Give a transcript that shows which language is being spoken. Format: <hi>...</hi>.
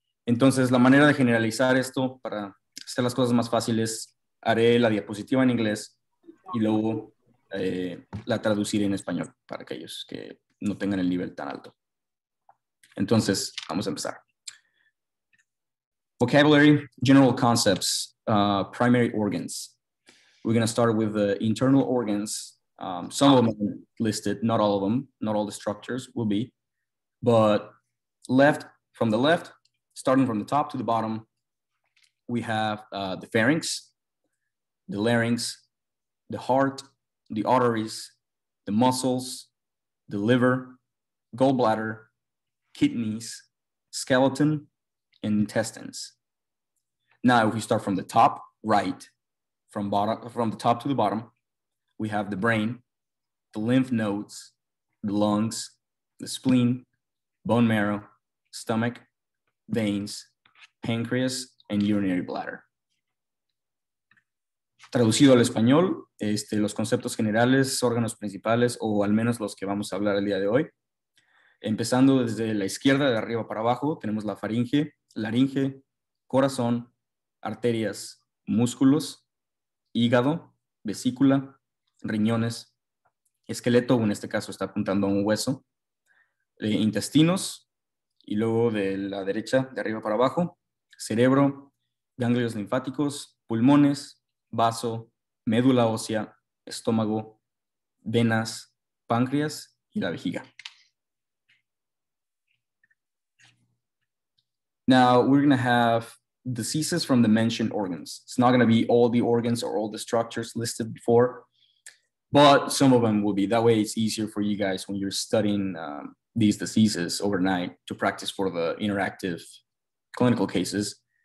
<es>Entonces, la manera de generalizar esto, para hacer las cosas más fáciles, haré la diapositiva en inglés y luego la traduciré en español para aquellos que no tengan el nivel tan alto. Entonces, vamos a empezar.</es> <en>Vocabulary, general concepts, primary organs. We're going to start with the internal organs. Some of them are listed, not all of them, not all the structures will be. But starting from the top to the bottom, we have the pharynx, the larynx, the heart, the arteries, the muscles, the liver, gallbladder, kidneys, skeleton, and intestines. Now, if we start from the top right, from the top to the bottom, we have the brain, the lymph nodes, the lungs, the spleen, bone marrow, stomach, veins, pancreas, and urinary bladder.</en> <es>Traducido al español, los conceptos generales, órganos principales, o al menos los que vamos a hablar el día de hoy. Empezando desde la izquierda, de arriba para abajo, tenemos la faringe, laringe, corazón, arterias, músculos, hígado, vesícula, riñones, esqueleto, en este caso está apuntando a un hueso, intestinos, y luego de la derecha, de arriba para abajo, cerebro, ganglios linfáticos, pulmones, vaso, médula ósea, estómago, venas, páncreas y la vejiga.</es> <en>Now, we're going to have diseases from the mentioned organs. It's not going to be all the organs or all the structures listed before, but some of them will be. That way, it's easier for you guys when you're studying these diseases overnight to practice for the interactive clinical cases.</en>